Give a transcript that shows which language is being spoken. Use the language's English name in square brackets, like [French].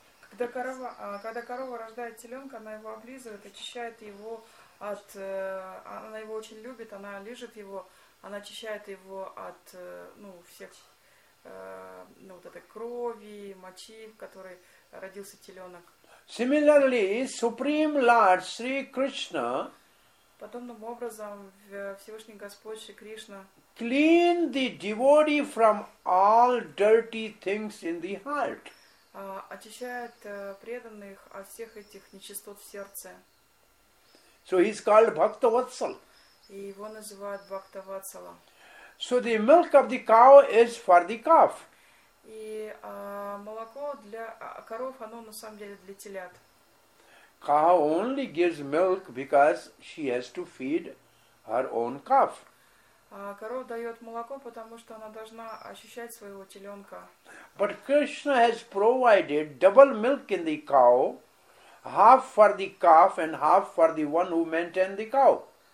[Russian] Когда корова, рождает теленка, она его облизывает, очищает его от, она его очень любит, она лижет его, она очищает его от, ну, всех, ну, вот этой крови, мочи, в которой родился теленок. [English] Similarly, Supreme Lord Sri Krishna. [Russian] Подобным образом Всевышний Господь Шри Кришна [English] clean the devotee from all dirty things in the heart. [Russian] Очищает преданных от всех этих нечистот в сердце. [English] So he is called Bhakta Vatsala. [Russian] И его называют Бхакта Ватсала. [English] So the milk of the cow is for the calf. [Russian] И молоко для коров, оно на самом деле для телят. [English] Cow only gives milk because she has to feed her own calf. [Russian] Корова дает молоко, потому что она должна ощущать своего теленка. [English] But Krishna has provided double milk in the cow, half for the calf and half for the one who maintains the cow.